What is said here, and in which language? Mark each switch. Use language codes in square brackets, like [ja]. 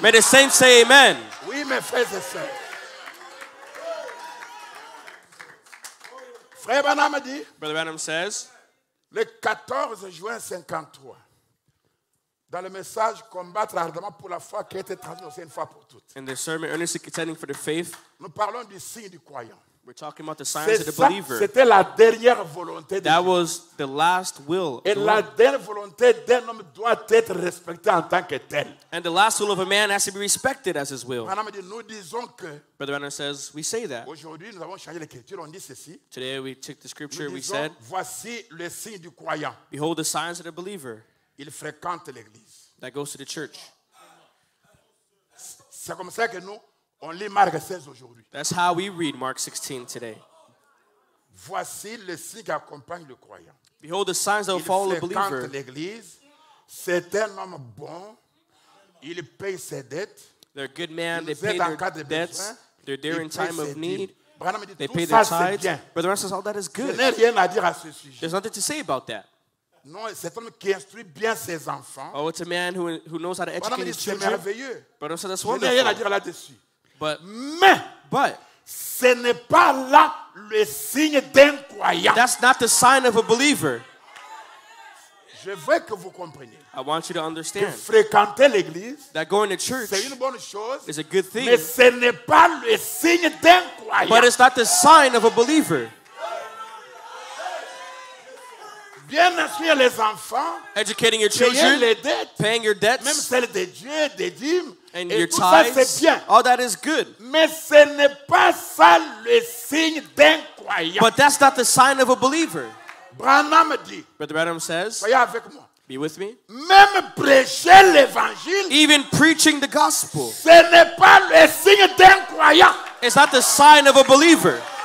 [en] May the saints say amen. [fr] Oui, mes frères et sœurs. Frère Branham dit, [en] Brother Branham says, [fr] le 14 juin 53, dans le message combattre ardemment pour la foi qui a été transmis aussi une fois pour toutes. [en] In the sermon earnestly contending for the faith, [fr] nous parlons du signe du croyant. [en] We're talking about the signs of the believer. [fr] C'était la dernière volonté de [en] Dieu. That was the last will. [fr] Et la dernière volonté d'un homme doit être respectée en tant que tel. [en] And the last will of a man has to be respected as his will. [fr] Madame dit, nous disons que, [en] Brother Renner says, we say that. [fr] Aujourd'hui, nous avons changé l'écriture, on dit ceci. [en] Today we took the scripture, [fr] nous disons, [en] we said, [fr] voici le signe du croyant. [en] Behold the signs of the believer. [fr] Il fréquente l'église. [en] That goes to the church. [fr] C'est comme ça que nous, on lit Marc 16 aujourd'hui. [en] That's how we read Mark 16 today. [fr] Voici le signe qui accompagne le croyant. [en] Behold the signs that will follow the believer. [fr] Il fréquente l'église. C'est un homme bon. Il paye ses dettes. [en] They're good man. [fr] Ils [en] they pay their debts. [fr] Besoin. [en] They're there [fr] il [en] in time of need. [fr] Dit, [en] they [fr] tout [en] pay [fr] ça [en] their tithes. But the rest says all that is good. [fr] Je n'ai rien à dire à ce sujet. [en] There's nothing to say about that. [fr] Non, cet homme qui instruit bien ses enfants. [en] Oh, it's a man who knows how to educate his children. [fr] C'est merveilleux. [en] But also, that's wonderful. [fr] Je n'ai rien à dire là-dessus. [en] But [fr] ce n'est pas là le signe d'un croyant. [en] That's not the sign of a believer. [fr] Je veux que vous compreniez. [en] I want you to understand. [fr] Que fréquenter l'église, [en] that going to church, [fr] c'est une bonne chose. [en] Is a good thing. [fr] Mais ce n'est pas le signe d'un croyant. [en] But it's not the sign of a believer. [fr] Bien instruire les enfants, [en] educating your children, [fr] payer les dettes, [en] paying your debts, [fr] même celles de Dieu, des dîmes, [en] and [fr] et [en] your [fr] tout [en] tithes, [fr] ça c'est bien. [en] All that is good. [fr] Mais ce n'est pas ça le signe d'un croyant. [en] But that's not the sign of a believer. [fr] Branham dit, [en] Brother Branham says, [fr] soyez avec moi. [en] Be with me. [fr] Même prêcher l'évangile, [en] even preaching the gospel, [fr] ce n'est pas le signe d'un croyant. [en] It's not the sign of a believer.